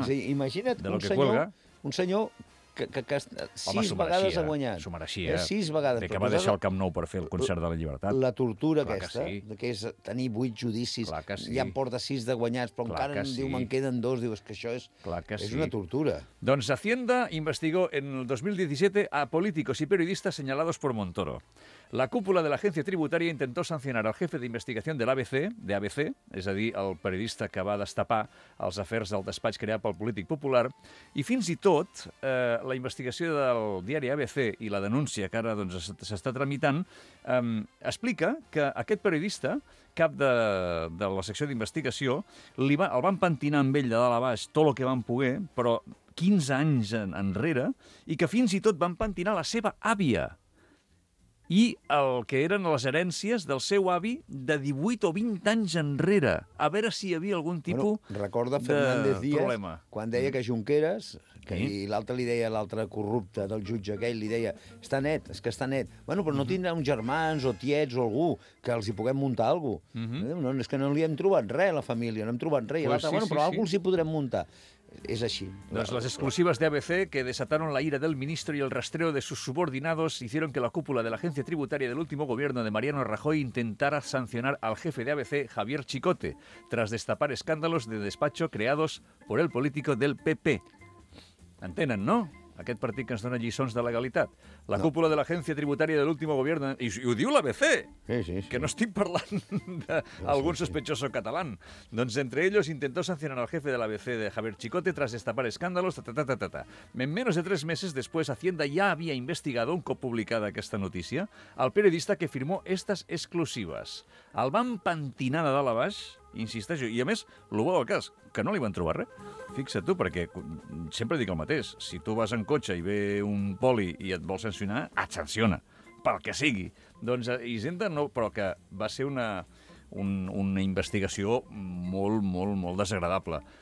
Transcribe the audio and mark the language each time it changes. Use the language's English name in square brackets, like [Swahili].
[Catalan] És a dir, imagina't un senyor... Que 6 vegades ha guanyat. S'ho mereixia. 6 vegades. Bé, que va deixar el Camp Nou per fer el Concert de la Llibertat. La tortura aquesta, que és tenir 8 judicis, i en porta 6 de guanyats, però encara diu, me'n queden 2, diu, és que això és una tortura. [Spanish] Doncs Hacienda investigó en el 2017 a políticos y periodistas señalados por Montoro. [Catalan] La cúpula de l'agència tributària [Spanish] intentó sancionar el jefe [Catalan] d'investigació de l'ABC, és a dir, el periodista que va destapar els afers del despatx creat pel polític popular, i fins i tot la investigació del diari ABC i la denúncia que ara s'està tramitant explica que aquest periodista, cap de la secció d'investigació, el van pentinar amb ell de dalt a baix tot el que van poder, però 15 anys enrere, i que fins i tot van pentinar la seva àvia, i el que eren les herències del seu avi de 18 o 20 anys enrere. A veure si hi havia algun tipus recorda Fernández Díaz, quan deia que Junqueras, que l'altre li deia, l'altre corrupte del jutge aquell, li deia, està net, és que està net. Bueno, però no tindrà uns germans o tiets o algú que els hi puguem muntar alguna cosa. No, és que no li hem trobat res a la família, no hem trobat res. Alguna cosa els hi podrem muntar. És així. [Spanish] Doncs les exclusives d'ABC que desataron la ira del ministro y el rastreo de sus subordinados hicieron que la cúpula de la agencia tributaria del último gobierno de Mariano Rajoy intentara sancionar al jefe de ABC, Javier Chicote, tras destapar escándalos de despacho creados por el político del PP. [Catalan] Entenen, no? Aquest partit que ens dona lliçons de legalitat. La cúpula de l'agència tributària de [Spanish] l'último gobierno... [Catalan] I ho diu l'ABC, que no estic parlant d'algun sospechoso català. Doncs entre ells [Spanish] intentó sancionar al jefe de l'ABC de Javier Chicote tras destapar escándalos... En menos de 3 meses después, Hacienda [Catalan] ja havia [Spanish] investigado, [Catalan] un cop publicada aquesta notícia, el periodista [Spanish] que firmó estas exclusivas. [Catalan] El van pentinar de dalt a baix, insisteixo, i a més, lo bo del cas, que no li van trobar res. Fixa't tu, perquè sempre dic el mateix, si tu vas en cotxe i ve un poli i et vol sancionar, et sanciona, pel que sigui. Doncs Hisenda no, però que va ser una investigació molt, molt, molt desagradable.